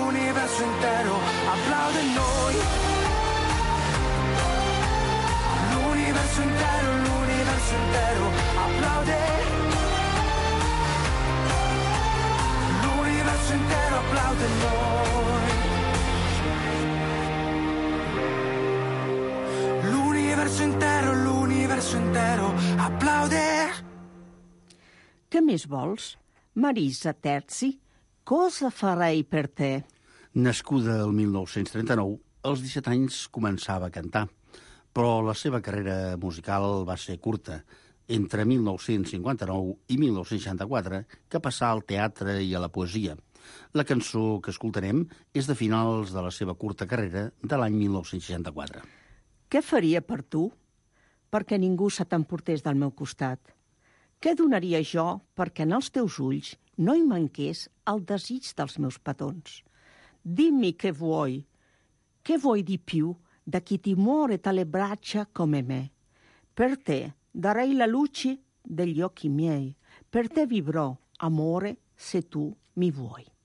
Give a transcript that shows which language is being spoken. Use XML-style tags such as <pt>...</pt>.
<it>L'universo intero applaude noi. L'universo intero, l'universo intero applaude.</it> <ca>Què més vols?</ca> <it>Marisa Terzi, cosa farei per te?</it> <ca>Nascuda el 1939, als 17 anys començava a cantar, però la seva carrera musical va ser curta. Entre 1959 i 1964, que passà al teatre i a la poesia. La cançó que escoltarem és de finals de la seva curta carrera de l'any 1964. Què faria per tu? Perquè ningú se t'emportés del meu costat. Què donaria jo perquè en els teus ulls no hi manqués el desig dels meus petons?</ca> <it>Dimmi què vuoi di più da chi ti muore tale braccia come me? Per te darei la luce degli occhi miei, per te vivrò, amore, se tu mi vuoi.</it>